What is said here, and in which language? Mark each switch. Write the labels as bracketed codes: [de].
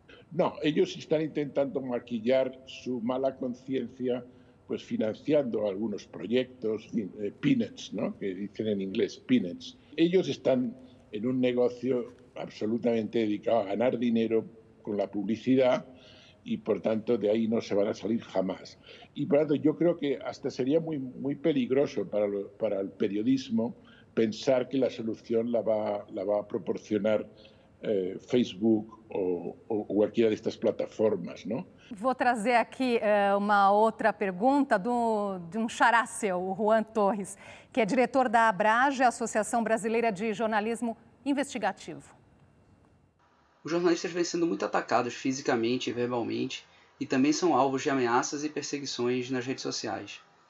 [pt] Não, eles estão tentando [es] maquillar [pt] sua [es] mala [pt] consciência, [es] pues, [pt] financiando alguns projetos, [en] peanuts, [pt] ¿no? Que dizem em inglês, peanuts. Eles estão em um negócio absolutamente dedicado a ganhar dinheiro com a publicidade [es] y por tanto de ahí no se van a salir jamás. Y por tanto yo creo que hasta sería muy, muy peligroso para el periodismo pensar que la solución la va a proporcionar Facebook o cualquiera de estas plataformas, ¿no? [pt] Vou trazer aqui uma outra pergunta de um xará seu, o Juan Torres, que é diretor da ABRAGE, Associação Brasileira de Jornalismo Investigativo. Os jornalistas vêm sendo muito atacados fisicamente e verbalmente e também são alvos de ameaças e perseguições nas redes sociais.